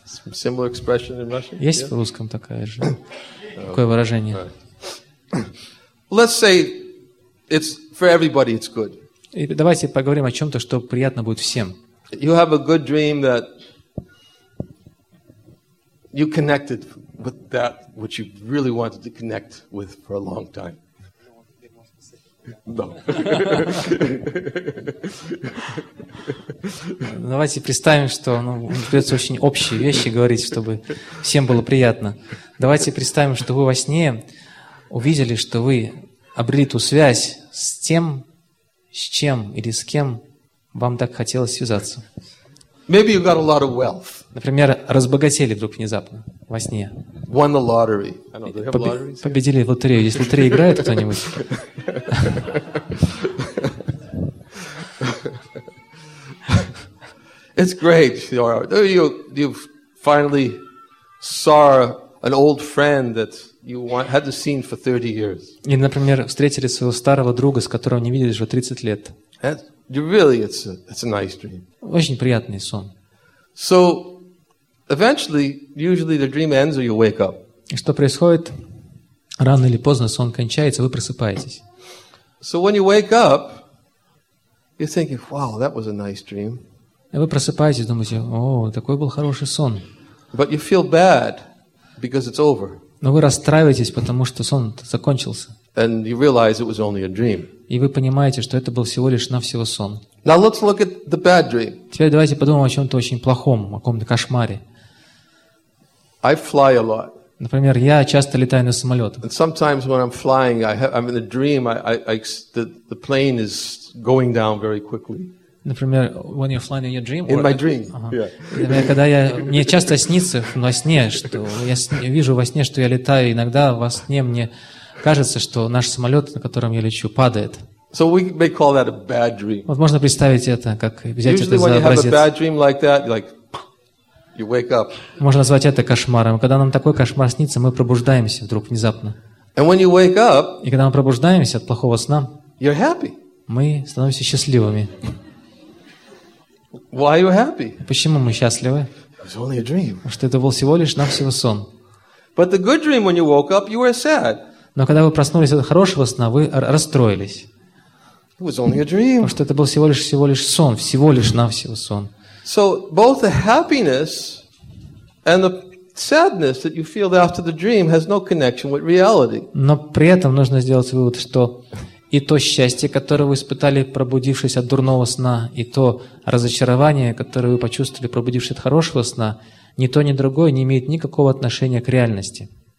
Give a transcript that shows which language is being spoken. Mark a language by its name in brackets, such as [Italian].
[English] Similar expression in Russian? [Russian] Есть yeah. В русском такая же, такое выражение. [English] Right. Let's say it's for everybody it's good. [Russian] И давайте поговорим о чем-то, что приятно будет всем. [English] You have a good dream that you connected with that which you really wanted to connect with for a long time. No. [Russian] Давайте представим, что придется очень общие вещи говорить, чтобы всем было приятно. Давайте представим, что вы во сне увидели, что вы обрели ту связь с тем, с чем или с кем вам так хотелось связаться. [English] Maybe you got a lot of wealth. [Russian] Например, разбогатели вдруг внезапно во сне. [English] Won the lottery. I don't know, do they have lotteries? [Russian] Победили в лотерею. Есть лотерея, играет кто-нибудь? [English] It's great. You finally saw an old friend that you hadn't seen for 30 years. [Russian] И, например, встретили своего старого друга, с которым не виделись уже 30 лет. [English] Really, it's a nice dream. [Russian] Очень приятный сон. [English] So, eventually, usually the dream ends or you wake up. [Russian] И что происходит? Рано или поздно сон кончается, вы просыпаетесь. [English] So when you wake up, you're thinking, "Wow, that was a nice dream." [Russian] И вы просыпаетесь, думаете, о, такой был хороший сон. [English] But you feel bad because it's over. [Russian] Но вы расстраиваетесь, потому что сон закончился. [English] And you realize it was only a dream. [Russian] И вы понимаете, что это был всего лишь навсего сон. [English] Now let's look at the bad dream. [Russian] Теперь давайте подумаем о чем-то очень плохом, о каком-то кошмаре. [English] I fly a lot. [Russian] Например, я часто летаю на самолетах. [English] And sometimes when I'm flying, I'm in a dream. The plane is going down very quickly. [Russian] Например, [English] when you're flying in your dream. In my dream. Uh-huh. Yeah. [Russian] Когда я мне часто снится во сне, что я вижу во сне, что я летаю, иногда во сне мне кажется, что наш самолет, на котором я лечу, падает. [English] So we may call that a bad dream. [Russian] Вот можно представить это, как взять [English] Usually [Russian] это за образец. [English] Usually when you have a bad dream like that, like you wake up. [Russian] Можно назвать это кошмаром. Когда нам такой кошмар снится, мы пробуждаемся вдруг внезапно. [English] And when you wake up. [Russian] И когда мы пробуждаемся от плохого сна. [English] You're happy. [Russian] Мы становимся счастливыми. [English] Why are you happy? [Russian] Почему мы счастливы? [English] It was only a dream. [Russian] Потому что это был всего лишь навсего сон. [English] But the good dream when you woke up, you were sad. [Russian] Но когда вы проснулись от хорошего сна, вы расстроились. [English] It was only a dream. [Russian] Потому что это был всего лишь сон, всего лишь навсего сон. [English] So both the happiness and the sadness that you feel after the dream has no connection with reality. [Russian] Но при этом нужно сделать вывод, что и то счастье, которое вы испытали, пробудившись от дурного сна, и то разочарование, которое вы почувствовали, пробудившись от хорошего сна, ни то, ни другое не имеет никакого отношения к реальности.